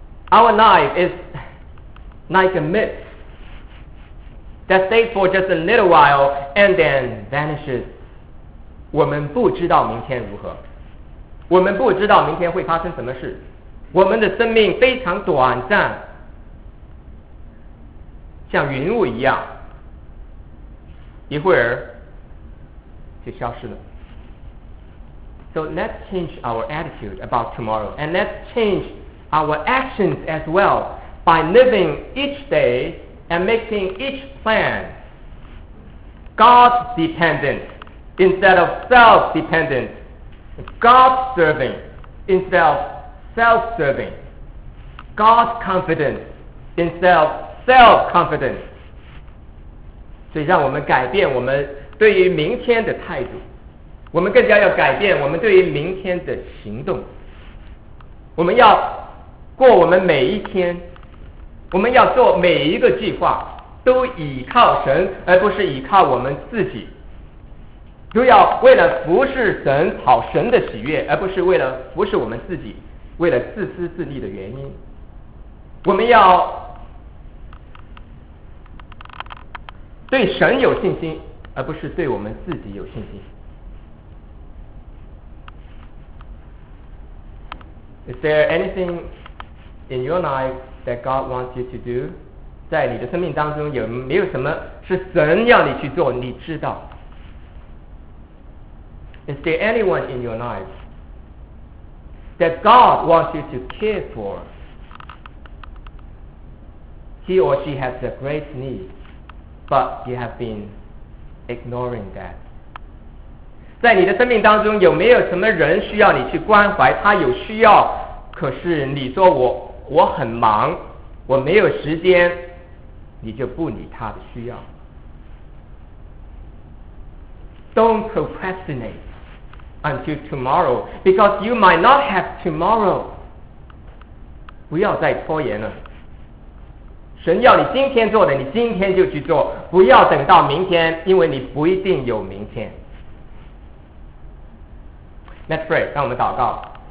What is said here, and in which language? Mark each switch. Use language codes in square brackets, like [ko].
[en] Our life is like a mist that stays for just a little while and then vanishes. [zh] 我们不知道明天如何，我们不知道明天会发生什么事，我们的生命非常短暂，像云雾一样，一会儿就消失了。 [en] So let's change our attitude about tomorrow, and let's change our actions as well by living each day and making each plan God-dependent instead of self-dependent, God-serving instead of self-serving, God-confident instead of self-confident. [zh] 所以让我们改变我们对于明天的态度，我们更加要改变我们对于明天的行动。我们要过我们每一天，我们要做每一个计划都依靠神，而不是依靠我们自己，都要为了服侍神，讨神的喜悦，而不是为了服侍我们自己，为了自私自利的原因。我们要对神有信心，而不是对我们自己有信心。 [en] Is there anything in your life that God wants you to do? [zh] 在你的生命当中有没有什么是神要你去做，你知道？ [en] Is there anyone in your life that God wants you to care for? He or she has a great need, but you have been ignoring that. [zh] 在你的生命当中有没有什么人需要你去关怀，他有需要，可是你说我很忙，我没有时间，你就不理他的需要。 [en] Don't procrastinate until tomorrow because you might not have tomorrow. [zh] 不要再拖延了，神要你今天做的你今天就去做，不要等到明天，因为你不一定有明天。 [en] Let's pray. [zh] 让我们祷告。